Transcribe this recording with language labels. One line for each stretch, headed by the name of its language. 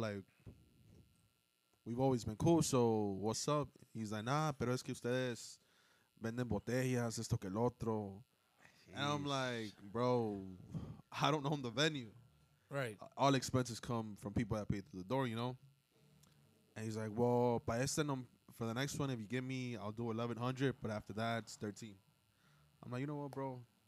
English: Like, we've always been cool, so what's up? He's like, nah,
Spanish: pero es que ustedes venden botellas, esto que el otro.
English: Jeez. And I'm like, bro, I don't own the venue. Right. All expenses come from people that pay through the door, you know? And he's like, well,
Spanish: para este
English: for the next one, if you give me, I'll do $1,100, but after that, it's $1,300. I'm like, you know what, bro?